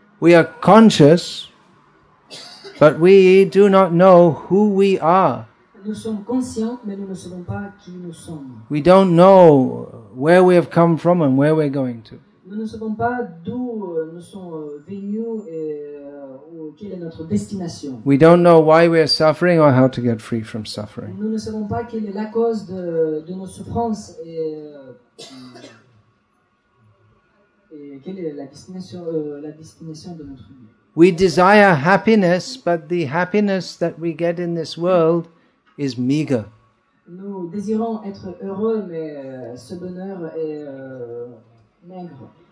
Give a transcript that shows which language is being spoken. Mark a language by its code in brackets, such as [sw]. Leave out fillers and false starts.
[en] We are conscious, but we do not know who we are. [fr] Nous sommes conscients, mais nous ne savons pas qui nous sommes. [en] We don't know where we have come from and where we're going to. [fr] Nous ne savons pas d'où nous sommes venus et quelle est notre destination. [en] We don't know why we are suffering or how to get free from suffering. [fr] Nous ne savons pas quelle est la cause de nos souffrances et quelle est la destination de notre vie. [en] We desire happiness, but the happiness that we get in this world is meager. [fr] Nous désirons être heureux, mais ce bonheur est maigre.